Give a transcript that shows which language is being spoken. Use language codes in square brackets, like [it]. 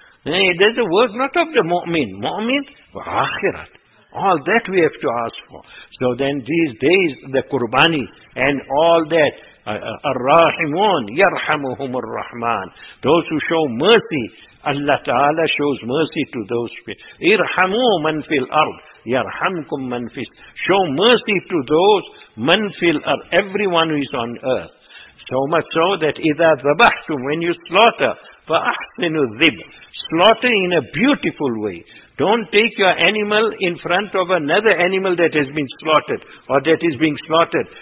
[en] There's a work not of the mu'min. Mu'min, akhirat. All that we have to ask for. So then these days, the qurbani and all that, [ar] الرحمون يرحمهم الرحمن. [en] Those who show mercy, Allah Ta'ala shows mercy to those people. [ar] إرحموا من في الأرض يرحمكم من في. [en] Show mercy to those [ar] من في الأرض, [en] everyone who is on earth. So much so that [ar] إذا ذبحتم, [en] when you slaughter, [ar] فأحسن الذبح, [en] slaughter in a beautiful way. Don't take your animal in front of another animal that has been slaughtered or that is being slaughtered.